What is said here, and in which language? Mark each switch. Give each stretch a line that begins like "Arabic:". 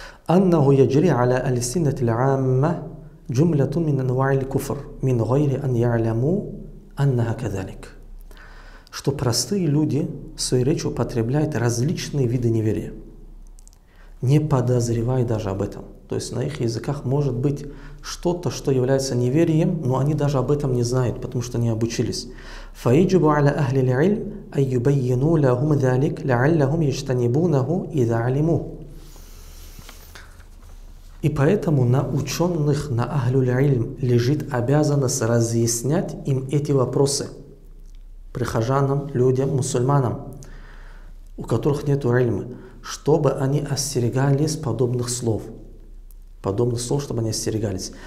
Arabic: أنه يجري على ألسنة العامة جملة من أنواع الكفر من غير أن يعلموا أنها كذلك.
Russian: Что простые люди в своей речи употребляют различные виды неверия, не подозревая даже об этом. То есть на их языках может быть что-то, что является неверием, но они даже об этом не знают, потому что не обучились.
Arabic: فيجب على أهل العلم أن يبينوا لهم ذلك لعلهم يجتنبونه إذا علموا.
Russian: И поэтому на ученых, на ахлюль-ильм лежит обязанность разъяснять им эти вопросы прихожанам, людям, мусульманам, у которых нет ильма, чтобы они остерегались подобных слов, чтобы они остерегались.